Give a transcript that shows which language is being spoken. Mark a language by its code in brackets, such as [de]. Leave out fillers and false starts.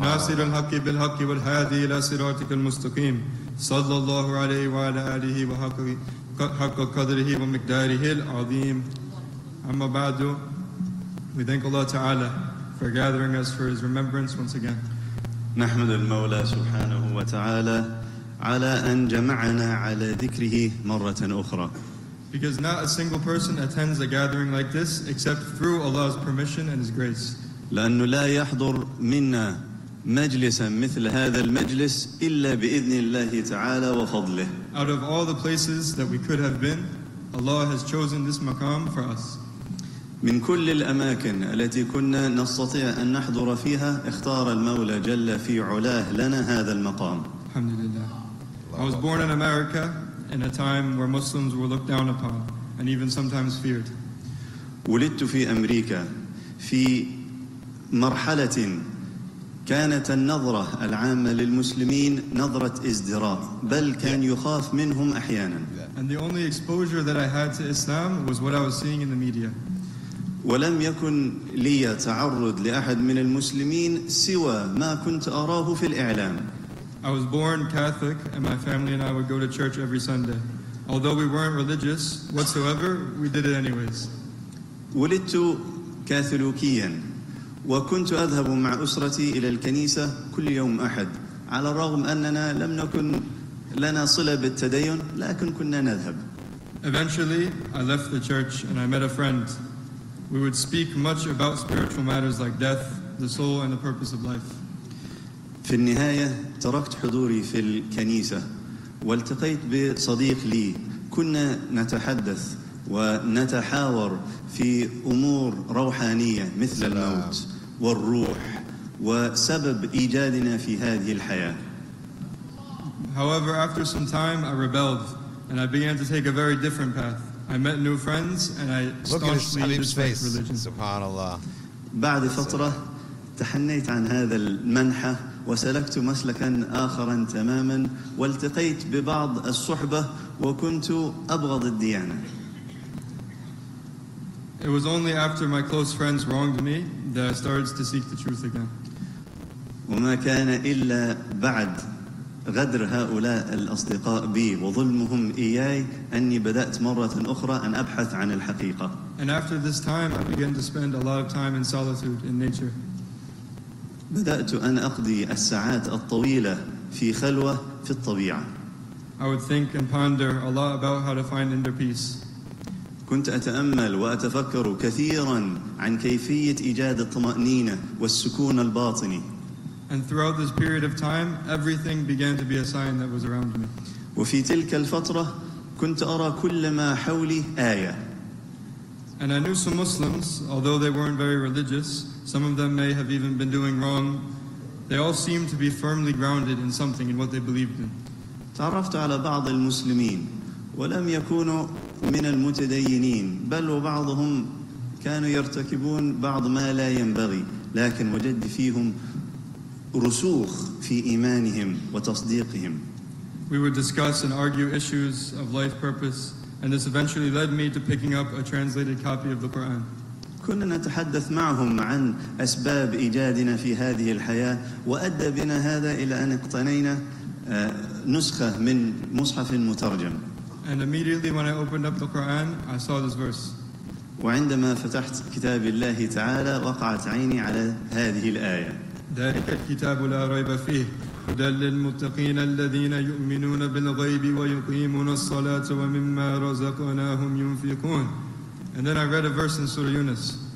[ar] ناصر الحق بالحق والهادي إلى صراطك المستقيم صلى الله عليه وعلى آله وحق قدره ومقداره العظيم أما بعد [en] we thank Allah تعالى for gathering us for his remembrance once again. [ar] نحمد المولى سبحانه وتعالى على أن جمعنا على ذكره مرة أخرى. [en] Because not a single person attends a gathering like this except through Allah's permission and his grace. [ar] لأنه لا يحضر منا مجلسا مثل هذا المجلس إلا بإذن الله تعالى وفضله. [en] Out of all the places that we could have been, Allah has chosen this maqam for us. [ar] من كل الأماكن التي كنا نستطيع أن نحضر فيها اختار المولى جل في علاه لنا هذا المقام الحمد لله [en] I was born in America in a time where Muslims were looked down upon and even sometimes feared [ar] ولدت في أمريكا في مرحلة كانت النظرة العامة للمسلمين نظرة ازدراء بل كان يخاف منهم أحيانا [en] And the only exposure that I had to Islam was what I was seeing in the media [ar] ولم يكن لي تعرض لأحد من المسلمين سوى ما كنت أراه في الإعلام. [en] I was born Catholic and my family and I would go to church every Sunday. Although we weren't religious whatsoever, we did it anyways. [ar] ولدت كاثوليكيا وكنت أذهب مع أسرتي إلى الكنيسة كل يوم أحد. على الرغم أننا لم نكن لنا صلة بالتدين لكن كنا نذهب. [en] Eventually, I left the church and I met a friend. We would speak much about spiritual matters like death, the soul, and the purpose of life. [ar] في النهاية تركت حضوري في الكنيسة والتقيت بصديق لي. كنا نتحدث ونتحاور في أمور روحانية مثل الموت والروح وسبب إيجادنا في هذه الحياة. [en] However, after some time, I rebelled and I began to take a very different path. I met new friends and I staunchly disliked religion. Subhanallah. [ar] بعد فترة تحنيت عن هذا المنحة وسلكت مسلكا آخرا تماما والتقيت ببعض الصحبة وكنت أبغض الديانة. [en] It was only after my close friends wronged me that I started to seek the truth again. [ar] وما كان إلا بعد غدر هؤلاء الأصدقاء بي وظلمهم إياي أني بدأت مرة أخرى أن أبحث عن الحقيقة. [en] And after this time, I began to spend a lot of time in solitude in nature. [ar] بدأت أن أقضي الساعات الطويلة في خلوة في الطبيعة. [en] I would think and ponder a lot about how to find inner peace. [ar] كنت أتأمل وأتفكر كثيرا عن كيفية إيجاد الطمأنينة والسكون الباطني. [en] And throughout this period of time, everything began to be a sign that was around me. [ar] وفي تلك الفترة كنت أرى كل ما حولي آية. [en] And I knew some Muslims, although they weren't very religious, some of them may have even been doing wrong, they all seemed to be firmly grounded in something, in what they believed in. [ar] تعرفت على بعض المسلمين ولم يكونوا من المتدينين بل وبعضهم كانوا يرتكبون بعض ما لا ينبغي لكن وجد فيهم رسوخ في إيمانهم وتصديقهم. [en] We would discuss and argue issues of life purpose, and this eventually led me to picking up a translated copy of the Quran. [ar] كنا نتحدث معهم عن أسباب إيجادنا في هذه الحياة وأدى بنا هذا إلى أن اقتنينا نسخة من مصحف مترجم. [en] And immediately when I opened up the Quran, I saw this verse. [ar] وعندما فتحت كتاب الله تعالى وقعت عيني على هذه الآية. ذلك الكتاب لا ريب فيه هدى للمتقين الذين يؤمنون بالغيب ويقيمون الصلاة ومما رزقناهم ينفقون. [en] And then I read a verse in Surah Yunus.